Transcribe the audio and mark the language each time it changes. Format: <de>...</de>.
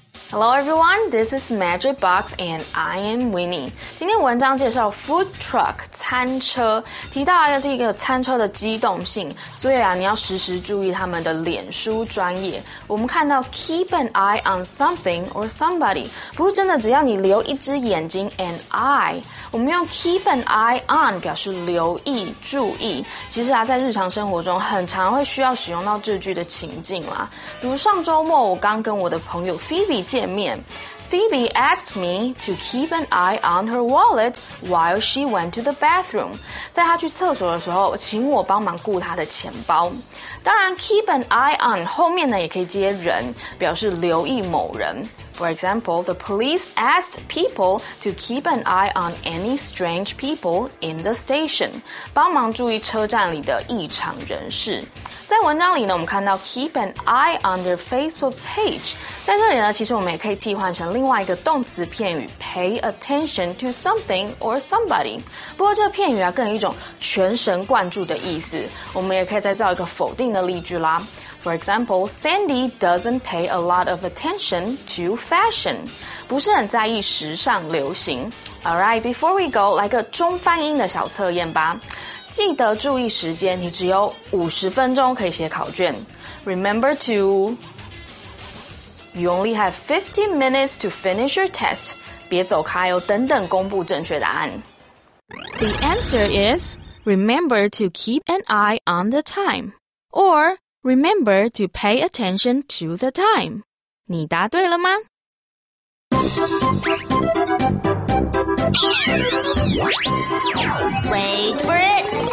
<en>Hello everyone, this is Magic Box and I am Winnie.</en> <zh>今天文章介绍 food truck, 餐车提到的是一个餐车的机动性所以啊你要时时注意他们的脸书专页。我们看到 keep an eye on something or somebody, 不是真的只要你留一只眼睛 an eye, 我们用 keep an eye on 表示留意注意其实啊在日常生活中很常会需要使用到这句的情境啦。</zh> <en>比如上周末我刚跟我的朋友 Phoebe 见面 Phoebe asked me to keep an eye on her wallet while she went to the bathroom.</en> <zh>在她去厕所的时候请我帮忙顾她的钱包。当然 keep an eye on 后面呢也可以接人表示留意某人。</zh> <en>For example, the police asked people to keep an eye on any strange people in the station.</en> <zh>帮忙注意车站里的异常人士。在文章里呢我们看到 keep an eye on their Facebook page 在这里呢其实我们也可以替换成另外一个动词片语 pay attention to something or somebody 不过这个片语啊更有一种全神贯注的意思我们也可以再造一个否定的例句啦 For example, Sandy doesn't pay a lot of attention to fashion 不是很在意时尚流行 Alright, before we go 来个中翻英的小测验吧记得注意时间，你只有50分钟可以写考卷。</zh> <en>Remember to... You only have 15 minutes to finish your test.</en> <zh>别走开哦，等等公布正确答案。</zh> <en>The answer is, remember to keep an eye on the time. Or, remember to pay attention to the time.</en> <zh>你答对了吗？</zh> <en>Wait for it!</en>